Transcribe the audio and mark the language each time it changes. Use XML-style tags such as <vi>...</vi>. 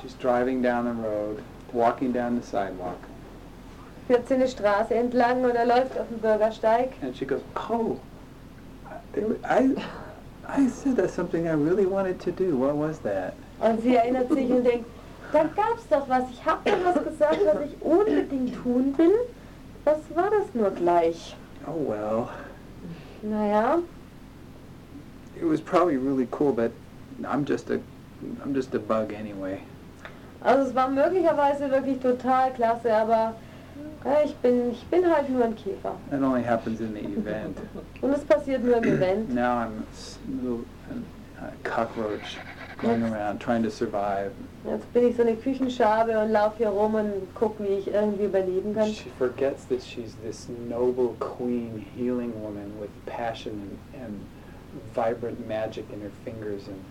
<en>She's driving down the road, walking down the sidewalk.</en> <de>Fährt sie eine Straße entlang oder läuft auf dem Bürgersteig.</de> <en>And she goes, oh, I said that's something I really wanted to do. What was that?</en> <de>Und sie erinnert sich und denkt, da gab's doch was. Ich habe doch was gesagt, was ich unbedingt tun will. Was war das nur gleich?</de> <en>Oh well.</en> <de>Naja.</de> <en>It was probably really cool, but I'm just a bug anyway.</en> <de>Also es war möglicherweise wirklich total klasse, aber ich bin halt nur ein Käfer.</de> <en>It only happens in the event.</en> <de>Und es passiert nur im Event.</de> <en>Now I'm a little cockroach. Going around, trying to survive.</en> <de>Jetzt bin ich so eine Küchenschabe und lauf hier rum und guck, wie ich irgendwie überleben kann.</de> <en>She forgets that she's this noble queen, healing woman with passion and vibrant magic in her fingers.</en>